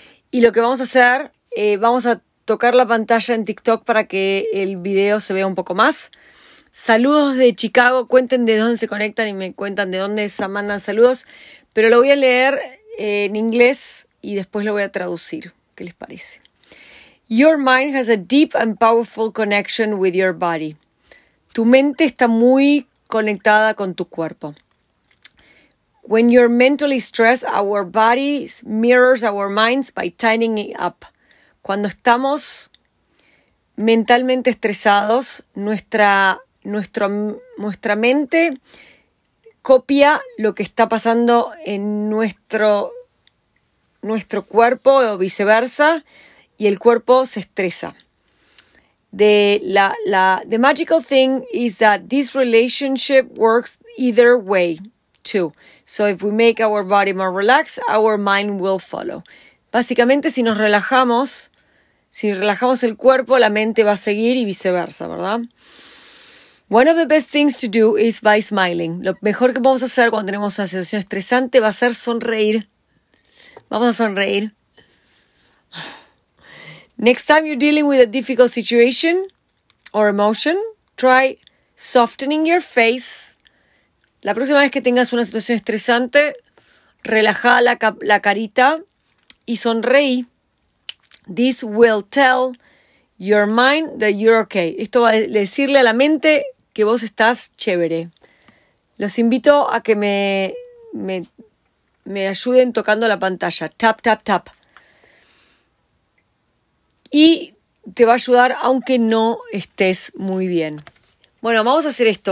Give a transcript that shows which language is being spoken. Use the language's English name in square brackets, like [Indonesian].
[Spanish] Y lo que vamos a hacer, vamos a tocar la pantalla en TikTok para que el video se vea un poco más. Saludos de Chicago, cuenten de dónde se conectan y me cuentan de dónde se mandan saludos. Pero lo voy a leer en inglés y después lo voy a traducir. ¿Qué les parece? [English] Your mind has a deep and powerful connection with your body. [Spanish] Tu mente está muy conectada con tu cuerpo. [English] When you're mentally stressed, our bodies mirrors our minds by tightening it up. [Spanish] Cuando estamos mentalmente estresados, nuestra mente copia lo que está pasando en nuestro cuerpo o viceversa, y el cuerpo se estresa. [English] The magical thing is that this relationship works either way. Too. So if we make our body more relaxed, our mind will follow. [Spanish] Básicamente, si relajamos el cuerpo, la mente va a seguir y viceversa, ¿verdad? [English] One of the best things to do is by smiling. [Spanish] Lo mejor que podemos hacer cuando tenemos una situación estresante va a ser sonreír. Vamos a sonreír. [English] Next time you're dealing with a difficult situation or emotion, try softening your face. [Spanish] La próxima vez que tengas una situación estresante, relaja la carita y sonreí. [English] This will tell your mind that you're okay. [Spanish] Esto va a decirle a la mente que vos estás chévere. Los invito a que me ayuden tocando la pantalla. [English] Tap, tap, tap. [Spanish] Y te va a ayudar aunque no estés muy bien. Bueno, vamos a hacer esto.